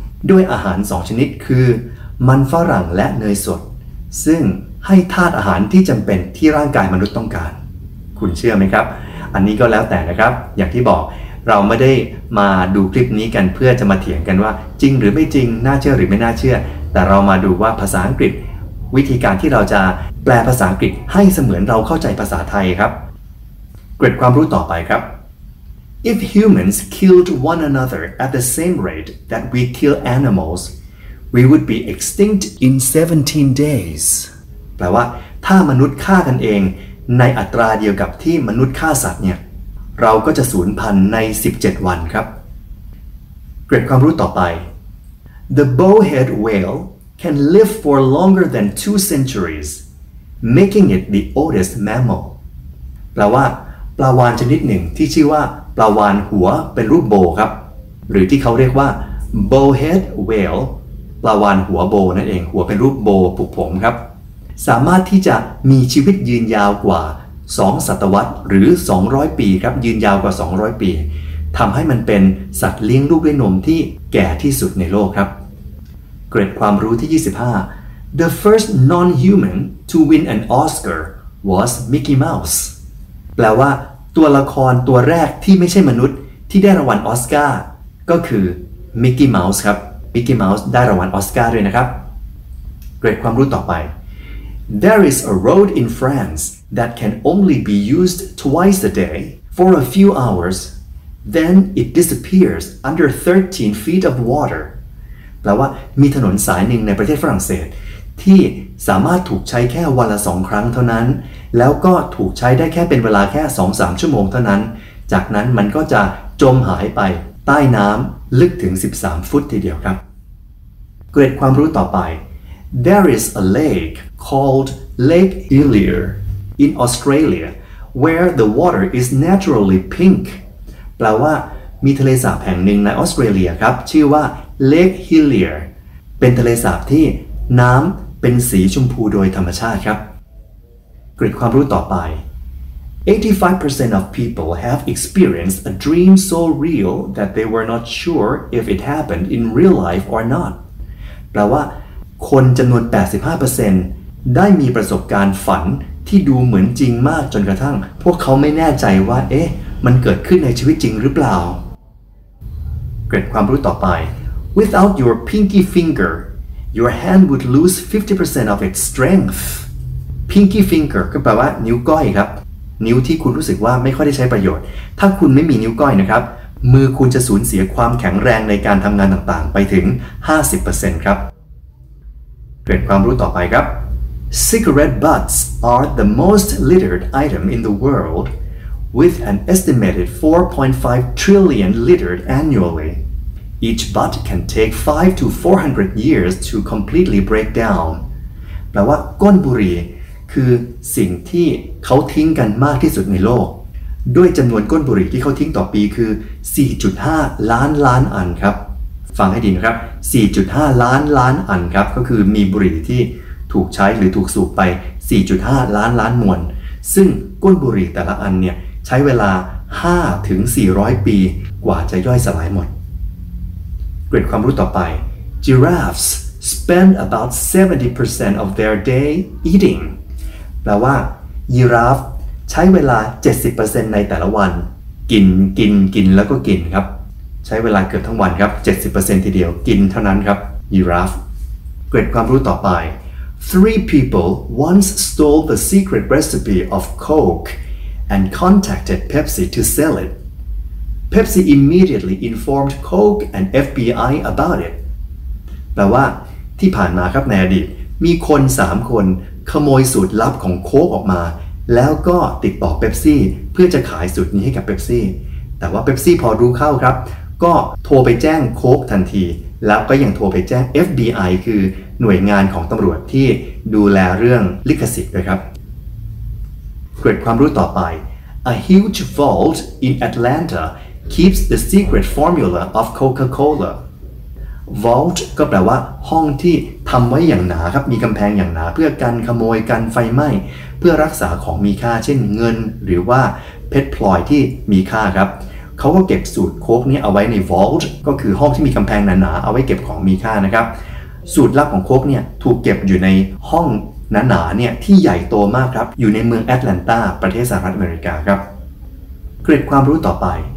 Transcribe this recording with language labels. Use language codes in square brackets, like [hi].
[th] ด้วยอาหาร2ชนิดคือมันฝรั่งและเนยสดซึ่งให้ธาตุอาหารที่จำเป็นที่ร่างกายมนุษย์ต้องการคุณเชื่อไหมครับอันนี้ก็แล้วแต่นะครับอย่างที่บอกเราไม่ได้มาดูคลิปนี้กันเพื่อจะมาเถียงกันว่าจริงหรือไม่จริงน่าเชื่อหรือไม่น่าเชื่อแต่เรามาดูว่าภาษาอังกฤษวิธีการที่เราจะแปลภาษาอังกฤษให้เสมือนเราเข้าใจภาษาไทยครับ กริดความรู้ต่อไปครับ [en] If humans killed one another at the same rate that we kill animals, we would be extinct in 17 days. [th] แปลว่าถ้ามนุษย์ฆ่ากันเองในอัตราเดียวกับที่มนุษย์ฆ่าสัตว์เนี่ยเราก็จะสูญพันธุ์ใน17วันครับเกร็ดความรู้ต่อไป [en] The bowhead whale can live for longer than 2 centuries, making it the oldest mammal. [th] แปลว่าปลาวาฬชนิดหนึ่งที่ชื่อว่าปลาวาฬหัวเป็นรูปโบครับหรือที่เขาเรียกว่า bowhead whale ปลาวาฬหัวโบนั่นเองหัวเป็นรูปโบผูกผมครับสามารถที่จะมีชีวิตยืนยาวกว่า2ศตวรรษหรือ200ปีครับยืนยาวกว่า200ปีทำให้มันเป็นสัตว์เลี้ยงลูกด้วยนมที่แก่ที่สุดในโลกครับเกร็ดความรู้ที่25 [en] The first non-human to win an Oscar was Mickey Mouse [th] แปลว่าตัวละครตัวแรกที่ไม่ใช่มนุษย์ที่ได้รางวัลออสการ์ก็คือ Mickey Mouse ครับ Mickey Mouse ได้รางวัลออสการ์ด้วยนะครับเกร็ดความรู้ต่อไป [en] There is a road in France that can only be used twice a day for a few hoursThen it disappears under 13 feet of water. [th] แปลว่ามีถนนสายหนึ่งในประเทศฝรั่งเศสที่สามารถถูกใช้แค่วันละ2ครั้งเท่านั้นแล้วก็ถูกใช้ได้แค่เป็นเวลาแค่ 2-3 ชั่วโมงเท่านั้นจากนั้นมันก็จะจมหายไปใต้น้ำลึกถึง13ฟุตทีเดียวครับเกร็ดความรู้ต่อไป [en] There is a lake called Lake Ilir in Australia where the water is naturally pink. [th] แปลว่ามีทะเลสาบแห่งหนึ่งในออสเตรเลียครับชื่อว่าเลคฮิลเลียร์เป็นทะเลสาบที่น้ำเป็นสีชมพูโดยธรรมชาติครับกริดความรู้ต่อไป [en] 85% of people have experienced a dream so real that they were not sure if it happened in real life or not [th] แปลว่าคนจำนวน 85% ได้มีประสบการณ์ฝันที่ดูเหมือนจริงมากจนกระทั่งพวกเขาไม่แน่ใจว่าเอ๊ะมันเกิดขึ้นในชีวิตจริงหรือเปล่าเกร็ดความรู้ต่อไป [en] Without your pinky finger, your hand would lose 50% of its strength. [th] Pinky finger ก็แปลว่านิ้วก้อยครับนิ้วที่คุณรู้สึกว่าไม่ค่อยได้ใช้ประโยชน์ถ้าคุณไม่มีนิ้วก้อยนะครับมือคุณจะสูญเสียความแข็งแรงในการทำงานต่างๆไปถึง 50% ครับเกร็ดความรู้ต่อไปครับ [en] Cigarette butts are the most littered item in the worldWith an estimated 4.5 trillion littered annually, each butt can take 5 to 400 years to completely break down. [th] แปลว่าก้นบุหรี่คือสิ่งที่เขาทิ้งกันมากที่สุดในโลกด้วยจำนวนก้นบุหรี่ที่เขาทิ้งต่อปีคือ 4.5 ล้านล้านอันครับฟังให้ดีนะครับ 4.5 ล้านล้านอันครับก็คือมีบุหรี่ที่ถูกใช้หรือถูกสูบไป 4.5 ล้านล้านมวนซึ่งก้นบุหรี่แต่ละอันเนี่ยใช้เวลา 5-400 ปีกว่าจะย่อยสลายหมดเกร็ดความรู้ต่อไป [en] Giraffes spend about 70% of their day eating [th] แปลว่ายีราฟใช้เวลา 70% ในแต่ละวันกินกินกินแล้วก็กินครับใช้เวลาเกือบทั้งวันครับ 70% ทีเดียวกินเท่านั้นครับยีราฟเกร็ดความรู้ต่อไป [en] Three people once stole the secret recipe of Coke and contacted Pepsi to sell it. Pepsi immediately informed Coke and FBI about it. [th] แปลว่าที่ผ่านมาครับในอดีตมีคน3คนขโมยสูตรลับของโค้กออกมาแล้วก็ติดต่อเปปซี่เพื่อจะขายสูตรนี้ให้กับเปปซี่แต่ว่าเปปซี่พอรู้เข้าครับก็โทรไปแจ้งโค้กทันทีแล้วก็ยังโทรไปแจ้ง FBI คือหน่วยงานของตำรวจที่ดูแลเรื่องลิขสิทธิ์ด้วยครับเกร็ดความรู้ต่อไป [en] A huge vault in Atlanta keeps the secret formula of Coca-Cola [th] Vault ก็แปลว่าห้องที่ทำไว้อย่างหนาครับมีกำแพงอย่างหนาเพื่อกันขโมยกันไฟไหม้เพื่อรักษาของมีค่าเช่นเงินหรือว่าเพชรพลอยที่มีค่าครับเขาก็เก็บสูตรโค้กนี้เอาไว้ใน Vault ก็คือห้องที่มีกำแพงหนาๆเอาไว้เก็บของมีค่านะครับสูตรลับของโค้กเนี่ยถูกเก็บอยู่ในห้องหนาๆเนี่ยที่ใหญ่โตมากครับอยู่ในเมืองแอตแลนตาประเทศสหรัฐอเมริกาครับเกร็ดความรู้ต่อไป